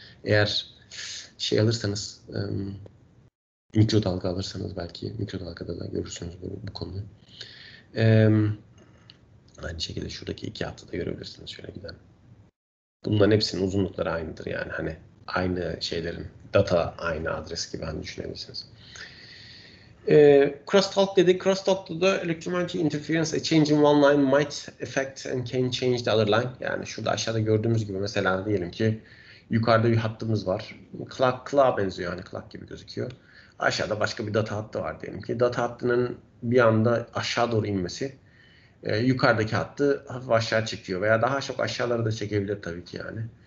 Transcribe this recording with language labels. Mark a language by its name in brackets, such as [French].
[Turkish] Eğer şey alırsanız mikrodalga alırsanız belki mikrodalgada da görürsünüz bu konuyu. Aynı şekilde şuradaki iki hattı da görebilirsiniz şöyle giden. Bunların hepsinin uzunlukları aynıdır yani hani aynı şeylerin data aynı adres gibi hani düşünebilirsiniz. Crosstalk dedi. Crosstalk'ta da [English] electromagnetic interference, a change in one line might affect and can change the other line. [Turkish] Yani şurada aşağıda gördüğümüz gibi mesela diyelim ki yukarıda bir hattımız var. Clock'a benziyor yani clock gibi gözüküyor. Aşağıda başka bir data hattı var diyelim ki. Data hattının bir anda aşağı doğru inmesi yukarıdaki hattı hafif aşağı çekiyor veya daha çok aşağılara da çekebilir tabii ki yani.